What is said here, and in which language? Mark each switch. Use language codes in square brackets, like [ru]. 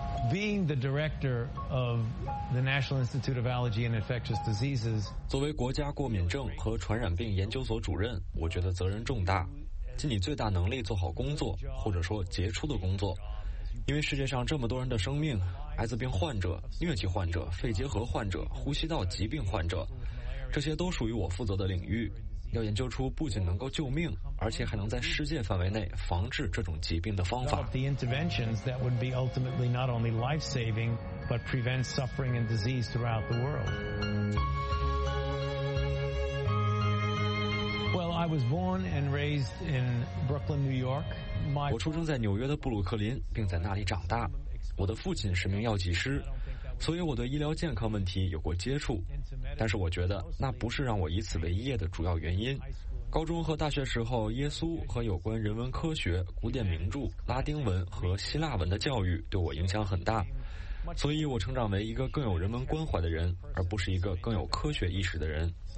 [en] Being the director of the National Institute of Allergy and Infectious Diseases, [zh] 作为国家过敏症和传染病研究所主任，我觉得责任重大，尽你最大能力做好工作，或者说杰出的工作。因为世界上这么多人的生命，艾滋病患者、疟疾患者、肺结核患者、呼吸道疾病患者，这些都属于我负责的领域。要研究出不仅能够救命，而且还能在世界范围内防治这种疾病的方法。 [en] The interventions that would be ultimately not only life-saving, but prevent suffering and disease throughout the world. Well, I was born and raised in Brooklyn, New York. [zh] 我出生在纽约的布鲁克林，并在那里长大。我的父亲是名药剂师，所以我对医疗健康问题有过接触，但是我觉得那不是让我以此为业的主要原因。高中和大学时候，耶稣和有关人文科学、古典名著、拉丁文和希腊文的教育对我影响很大，所以我成长为一个更有人文关怀的人，而不是一个更有科学意识的人。